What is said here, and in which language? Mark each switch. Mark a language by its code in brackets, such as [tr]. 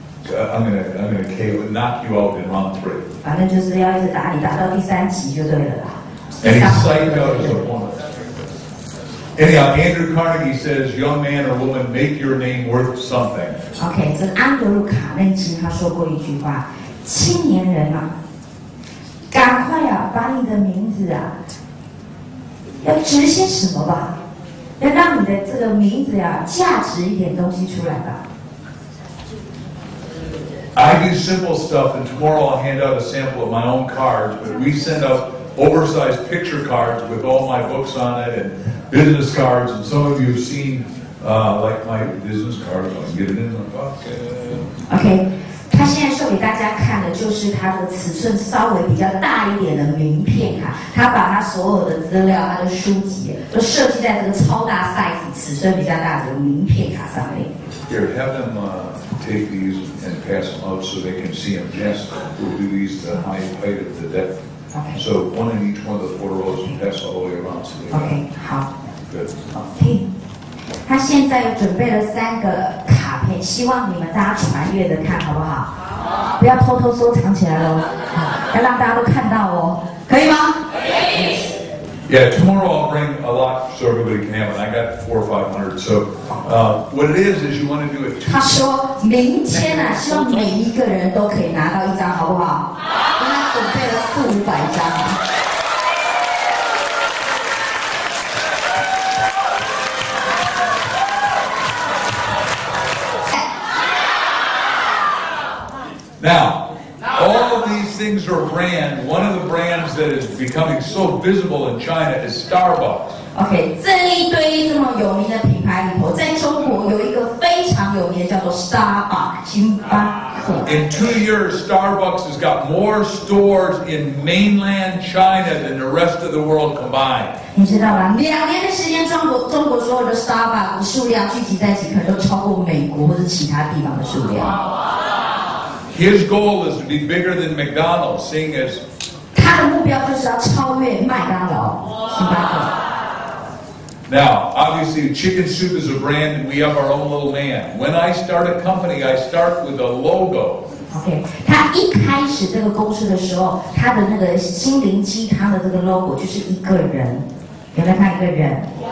[en] I'm gonna KO, knock you out in round three. [zh] 反正就是要一直打你，打到第三集就对了啦。 [en] And he psyched out his opponent. Anyhow, Andrew Carnegie says, "Young man or woman, make your name worth something." [zh] Okay, 这安德鲁卡内基他说过一句话：青年人啊，赶快啊，把你的名字啊，要值些什么吧？要让你的这个名字呀、啊，价值一点东西出来吧。 [en] I do simple stuff, and tomorrow I'll hand out a sample of my own cards. But we send out oversized picture cards with all my books on it and business cards. And some of you have seen, like my business cards. I'll get it in my pocket. [zh] Okay, 他现在秀给大家看的就是他的尺寸稍微比较大一点的名片卡。他把他所有的资料、他的书籍都设计在这个超大 size、尺寸比较大的名片卡上面。 [en] Here, have them take these and pass them out so they can see them. Yes, we'll do these the height of the deck. Okay. So one in each one of the four rows and pass all the way around. So okay, 好 Good. [zh] Okay. 他现在有准备了三个卡片，希望你们大家传阅的看好不好？不要偷偷收藏起来喽，要让大家都看到哦，可以吗？可以。 [en] Yeah, tomorrow I'll bring a lot so everybody can have it. I got 400 or 500. So, what it is you want to do it. [zh] 他说明天啊，希望每一个人都可以拿到一张，好不好？好。他准备了400-500张。 [en] Now. All of these things are brand. One of the brands that is becoming so visible in China is Starbucks. [zh] Okay, 这一堆这么有名的品牌里头，在中国有一个非常有名的叫做 Starbucks 星巴克。 [en] In 2 years, Starbucks has got more stores in mainland China than the rest of the world combined. [zh] 你知道吗？2年的时间，中国所有的 Starbucks 数量聚集在一起，可能都超过美国或者其他地方的数量。 [en] His goal is to be bigger than McDonald's, seeing as. [zh] 他的目标就是要超越麦当劳，星巴克。 [en] Now, obviously, chicken soup is a brand, and we have our own little man. When I start a company, I start with a logo. [zh] Okay, 他一开始这个公司的时候，他的那个心灵鸡汤的这个 logo 就是一个人，原来他一个人。